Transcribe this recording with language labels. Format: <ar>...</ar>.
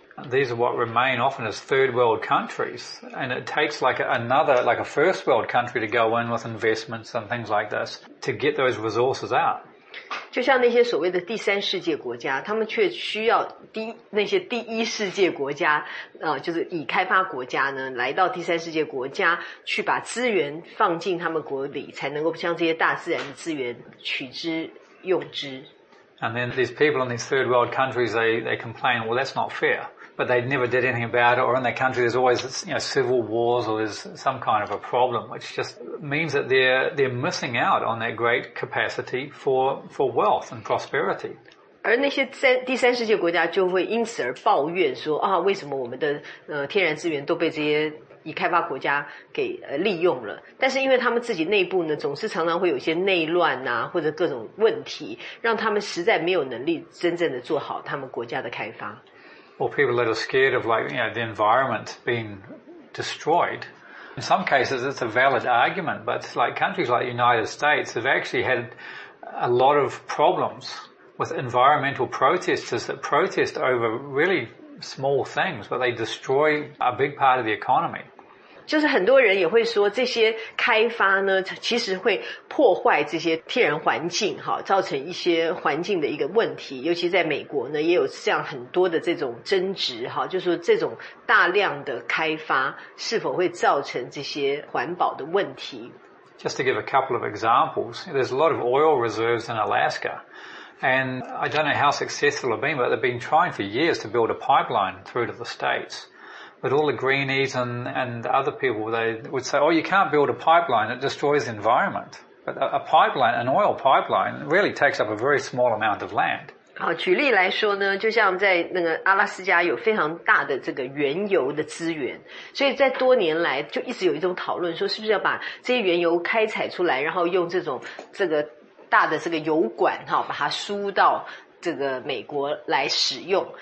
<en>These are what remain often as third world countries, and it takes like a first world country to go in with investments and things like this to get those resources out.</en> <zh>就像那些所谓的第三世界国家，他们却需要那些第一世界国家，就是已开发国家呢，来到第三世界国家去把资源放进他们国里，才能够将这些大自然的资源取之用之。</zh> <en>And then these people in these third world countries, they complain, well, that's not fair. But they never did anything about it. Or in their country, there's always, civil wars or there's some kind of a problem, which just means that they're missing out on that great capacity for wealth and prosperity.</en> <zh>而那些第三世界国家就会因此而抱怨说啊，为什么我们的天然资源都被这些已开发国家给利用了，但是因为他们自己内部呢，总是常常会有一些内乱啊，或者各种问题，让他们实在没有能力真正的做好他们国家的开发。</zh> <en>Well, people that are scared of the environment being destroyed. In some cases, it's a valid argument, but countries like the United States have actually had a lot of problems with environmental protesters that protest over really small things, but they destroy a big part of the economy.</en> <zh>就是很多人也会说这些开发呢其实会破坏这些天然环境，造成一些环境的一个问题，尤其在美国呢也有这样很多的这种争执，就是说这种大量的开发是否会造成这些环保的问题。</zh> <en>Just to give a couple of examples, there's a lot of oil reserves in Alaska. And I don't know how successful they've been, but they've been trying for years to build a pipeline through to the States. But all the greenies and other people, they would say, oh, you can't build a pipeline, it destroys the environment. But a pipeline, an oil pipeline, really takes up a very small amount of land.</en> <zh>好，举例来说呢，就像在那个阿拉斯加有非常大的这个原油的资源，所以在多年来就一直有一种讨论，说是不是要把这些原油开采出来，然后用这种这个大的这个油管哈，把它输到这个美国来使用。</zh>